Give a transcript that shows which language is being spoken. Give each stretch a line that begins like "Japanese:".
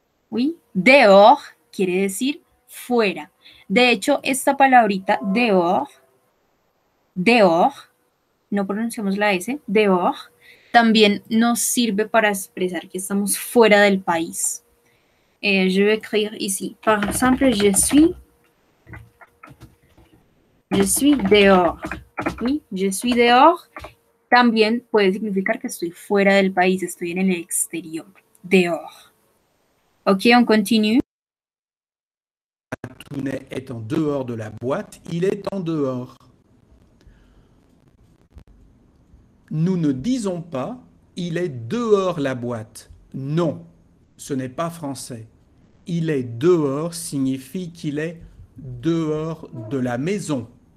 Spanish: Oui, dehors quiere decir fuera. De hecho, esta palabrita dehors, dehors, no pronunciamos la S, dehors, también nos sirve para expresar que estamos fuera del país.
French: Je vais écrire ici. Par exemple, je suis dehors. Oui, je suis dehors
Spanish: también puede significar que estoy fuera del país, estoy en el exterior.
French: Dehors. Ok, on continue. Ratounet est en dehors de la boîte, il est en dehors. Nous ne disons pas, il est dehors la boîte. Non, ce n'est pas français. Il est dehors signifie qu'il est dehors de la maison.